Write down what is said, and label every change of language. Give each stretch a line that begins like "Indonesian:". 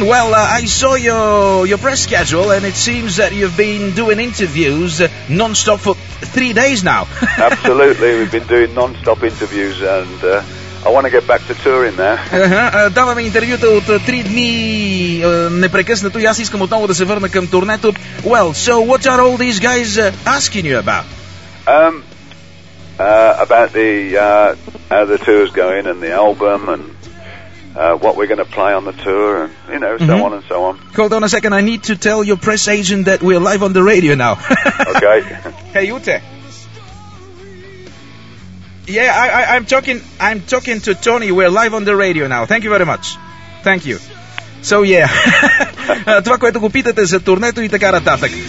English: Well, I saw your press schedule and it seems that you've been doing interviews non-stop for 3 days now. Absolutely, we've been doing non-stop interviews and I want to get back to touring there.
Bulgarian: Даваме интервюта от 3 дни непрекъснато и аз искам отново да се върна към турнето.
English: Well, so what are all these guys asking you about? About the how the tour's going and the album and what we're going to play on the tour and, you know, so on and so on. Hold on a second, I need to tell your press agent that we're live on the radio now. Okay. Hey, Ute. Yeah, I'm talking to Tony. We're live on the radio now. Thank you very much. Thank you. So, yeah.
Bulgarian: Това, което го питате за турнето и така нататък.